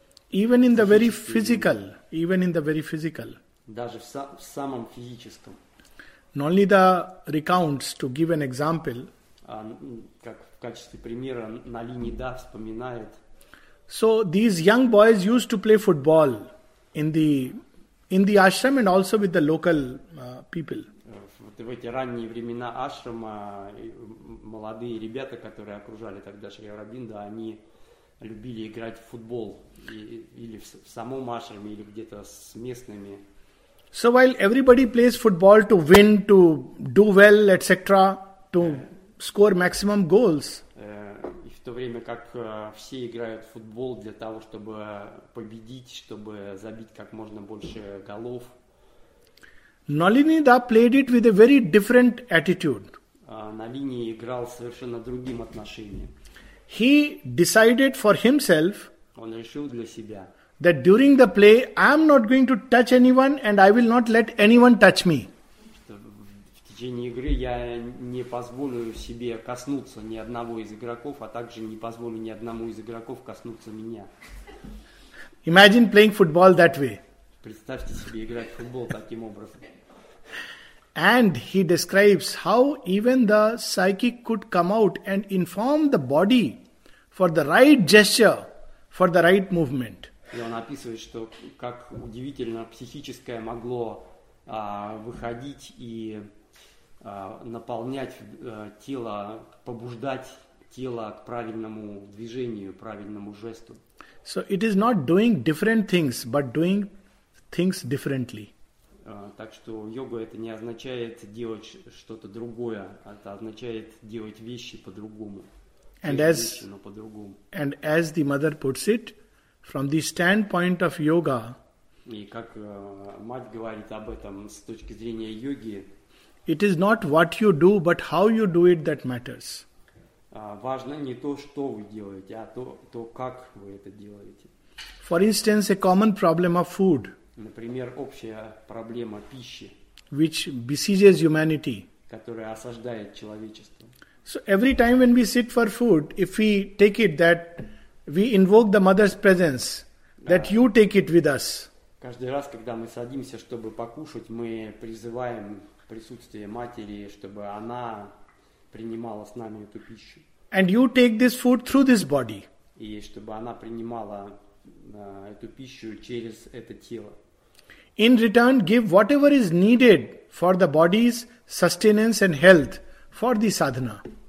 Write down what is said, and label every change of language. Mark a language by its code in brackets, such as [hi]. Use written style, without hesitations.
[en] Even in the very physical, even in the very physical. [ru] Даже в самом физическом. [en] Нолнида recounts to give an example. [ru] Как в качестве примера Налинида вспоминает. [en] So these young boys used to play football in the ashram and also with the local people. [ru] Вот в эти ранние времена ашрама молодые ребята, которые окружали тогда Шри Аурабинду, они любили играть в футбол или в самом ашраме, или где-то с местными. [en] So while everybody plays football to win, to do well, etc., to score maximum goals. [ru] И в то время как все играют в футбол для того, чтобы победить, чтобы забить как можно больше голов. [en] Налинида played it with a very different attitude. [ru] Налини играл совершенно другим отношением. [en] He decided for himself. [ru] Он решил для себя. [en] That during the play, I am not going to touch anyone and I will not let anyone touch me. [ru] В течение игры я не позволю себе коснуться ни одного из игроков, а также не позволю ни одному из игроков коснуться меня. [en] Imagine playing football that way. [ru] Представьте себе играть в футбол таким образом. [en] And he describes how even the psychic could come out and inform the body for the right gesture, for the right movement. [ru] И он описывает, что как удивительно психическое могло выходить и наполнять тело, побуждать тело к правильному движению, правильному жесту. [en] So it is not doing different things, but doing things differently. [ru] Так что йога это не означает делать что-то другое, это означает делать вещи по-другому. [en] And as, [ru] вещи, но по-другому. [en] And as the mother puts it, from the standpoint of yoga, [ru] и как мать говорит об этом с точки зрения йоги, [en] it is not what you do, but how you do it that matters. [ru] Важно не то, что вы делаете, а то, как вы это делаете. [en] For instance, a common problem of food, [ru] например, общая проблема пищи, [en] which besieges humanity, [ru] которая осаждает человечество. [en] So every time when we sit for food, if we take it that we invoke the mother's presence, that you take it with us. [ru] Каждый раз, когда мы садимся, чтобы покушать, мы призываем присутствие матери, чтобы она принимала с нами эту пищу. [en] And you take this food through this body. [ru] И чтобы она принимала эту пищу через это тело. [en] In return, give whatever is needed for the body's sustenance and health for the sadhana.